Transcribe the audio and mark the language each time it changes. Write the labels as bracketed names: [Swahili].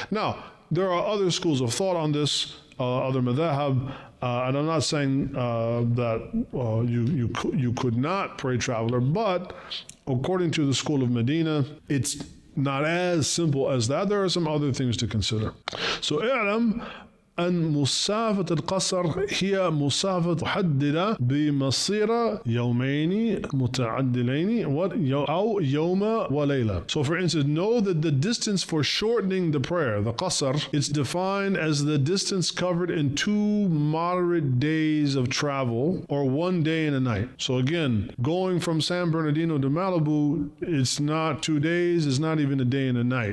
[English] Now, there are other schools of thought on this, other madhahab, and I'm not saying that you could not pray traveler, but according to the school of Medina, it's not as simple as that. There are some other things to consider. So, [Arabic] إعلم أن مسافة القصر هي مسافة محددة بمصير يومين متعدلين أو يوم وليلة. [English] So for instance, know that the distance for shortening the prayer, the قصر, it's defined as the distance covered in two moderate days of travel or one day and a night. So again, going from San Bernardino to Malibu, it's not 2 days, it's not even a day and a night.